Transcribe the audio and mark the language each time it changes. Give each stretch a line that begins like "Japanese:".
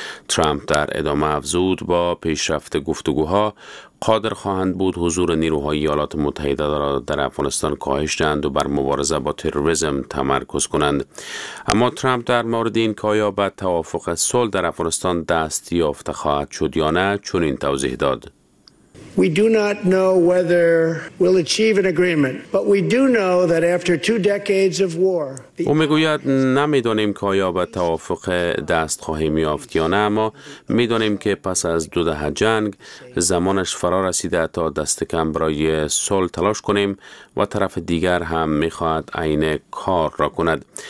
Persian: ترامپ در ادامه افزود با پیشرفت گفتگوها قادر خواهند بود حضور نیروهای ایالات متحده را در افغانستان کاهش دهند و بر مبارزه با تروریسم تمرکز کنند. اما ترامپ در مورد این که آیا به توافق صلح در افغانستان دست یافته خواهد شد یا نه چنین توضیح داد:
English: We do not know whether we'll achieve an agreement, but we do know that after two decades of war.
Persian: او میگوید نمیدانیم که آیا به توافق دست خواهیم یافت یا نه، اما میدانیم که پس از دو دهه جنگ زمانش فرا رسیده تا دست کم برای صلح تلاش کنیم و طرف دیگر هم میخواهد عین کار را کند.